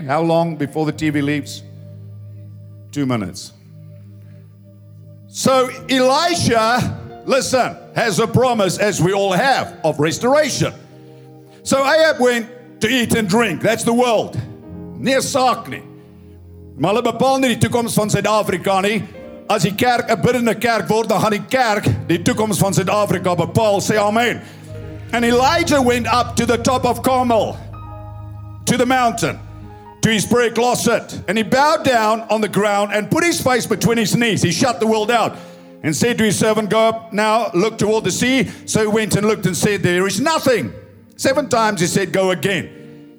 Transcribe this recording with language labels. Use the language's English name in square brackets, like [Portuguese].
[English] How long before the TV leaves? 2 minutes. So Elisha, listen, has a promise, as we all have, of restoration. So Ahab went to eat and drink. That's the world. Near Sarkne. [Afrikaans] Maar hulle bepaal nie die toekoms van Suid-Afrika nie. As die kerk 'n biddende kerk word, dan gaan die kerk die toekoms van Suid-Afrika bepaal. Sê amen. [English] And Elijah went up to the top of Carmel, to the mountain, to his prayer closet. And he bowed down on the ground and put his face between his knees. He shut the world out and said to his servant, go up now, look toward the sea. So he went and looked and said, there is nothing. 7 times he said, go again.